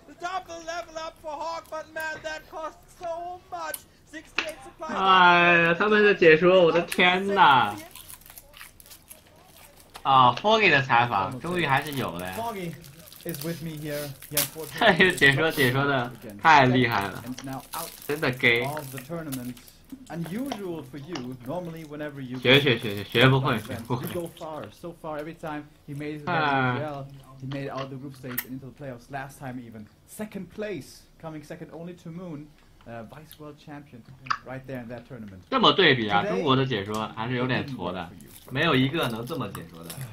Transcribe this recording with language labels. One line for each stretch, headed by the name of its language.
English: Double level up for Hawk, but man, that costs so much. 68 supply.
Chinese: 哎呀，他们的解说，我的天哪！啊 ，Foggy 的采访，终于还是有了。
English: Foggy is with me here.
Chinese: 解说的太厉害了，真的 gay。
English: Unusual for you. Normally, whenever you
Chinese: 学不会，
English: you go far. So far, every time he made it well, he made it out of the group stage and into the playoffs. Last time, even second place, coming second only to Moon, vice world champion, right there in that tournament.
Chinese: 这么对比啊，中国的解说还是有点矬的，没有一个能这么解说的。